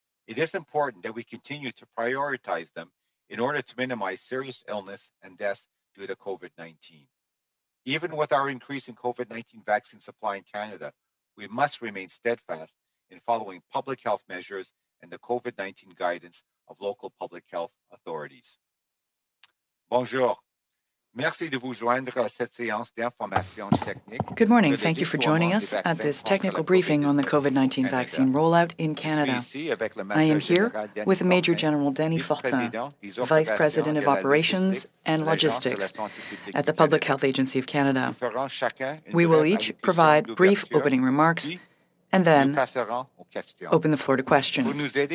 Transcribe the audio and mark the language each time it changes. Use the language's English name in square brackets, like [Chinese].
[English] It is important that we continue to prioritize them in order to minimize serious illness and deaths due to COVID-19. Even with our increase in COVID-19 vaccine supply in Canada, we must remain steadfast in following public health measures and the COVID-19 guidance of local public health authorities. [French] Bonjour. Merci de vous joindre à cette séance d'information technique. [English] Good morning. Thank you for joining us at this technical briefing on the COVID-19 vaccine rollout in Canada. I am here with Major General Dany Fortin, Vice President of Operations and Logistics at the Public Health Agency of Canada. We will each provide brief opening remarks and then open the floor to questions.